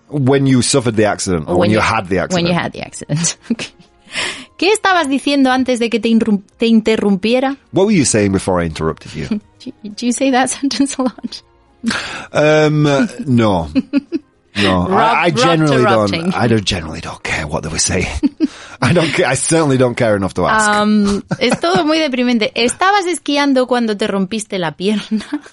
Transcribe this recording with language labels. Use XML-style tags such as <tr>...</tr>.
<en>When you suffered the accident or when you had the accident. When you had the accident. Okay.</en> <es>¿Qué estabas diciendo antes de que te interrumpiera?</es> <en>What were you saying before I interrupted you? Do you say that sentence a lot? No. I generally don't care what they were saying. I don't care. I certainly don't care enough to ask.</en> <es>Es todo muy deprimente. ¿Estabas esquiando cuando te rompiste la pierna?</es>